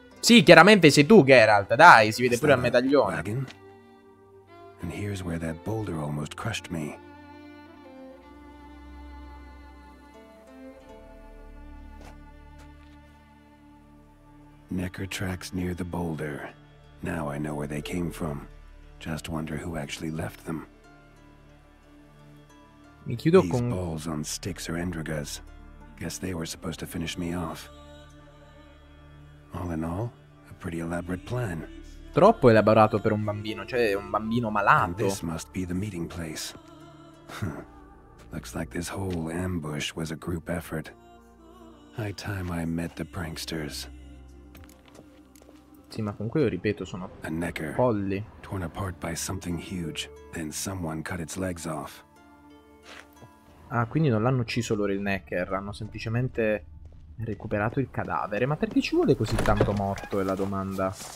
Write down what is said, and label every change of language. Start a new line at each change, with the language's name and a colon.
Italian: Sì, chiaramente sei tu, Geralt. Dai, si vede pure al medaglione.
English: And here's where that boulder almost crushed me. Necker tracks near the boulder. Now I know where they came from. Just wonder who actually left them.
Italian: Mi chiudo con...
English: These balls on sticks are Endrigas. Guess they were supposed to finish me off. All in all, a pretty elaborate plan.
Italian: Troppo elaborato per un bambino, cioè un bambino malato.
English: And this must be the meeting place. Looks like this whole ambush was a group effort. High time I met the pranksters.
Italian: Sì, ma comunque io ripeto, sono a necker, folli.
English: Torn apart by something huge, then someone cut its legs off.
Italian: Ah, quindi non l'hanno ucciso loro il necker, hanno semplicemente recuperato il cadavere. Ma perché ci vuole così tanto morto, è la domanda.